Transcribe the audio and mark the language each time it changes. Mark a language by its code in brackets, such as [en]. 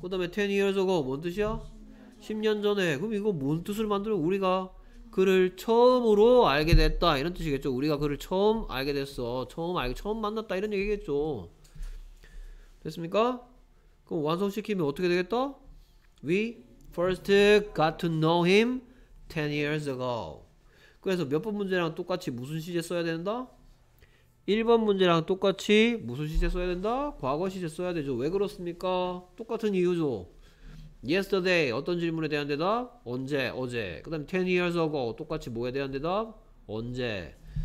[ko] 그 다음에 10 years ago 뭔 뜻이야? 10년 전에. 그럼 이거 뭔 뜻을 만들어? 우리가 그를 처음으로 알게 됐다. 이런 뜻이겠죠. 우리가 그를 처음 알게 됐어. 처음 만났다. 이런 얘기겠죠. 됐습니까? 그럼 완성시키면 어떻게 되겠다? [en] We first got to know him 10 years ago. [ko] 그래서 몇 번 문제랑 똑같이 무슨 시제 써야 된다? 1번 문제랑 똑같이 무슨 시제 써야 된다? 과거 시제 써야 되죠. 왜 그렇습니까? 똑같은 이유죠. Yesterday 어떤 질문에 대한 대답? 언제? 어제. 그 다음 10 years ago 똑같이 뭐에 대한 대답? 언제.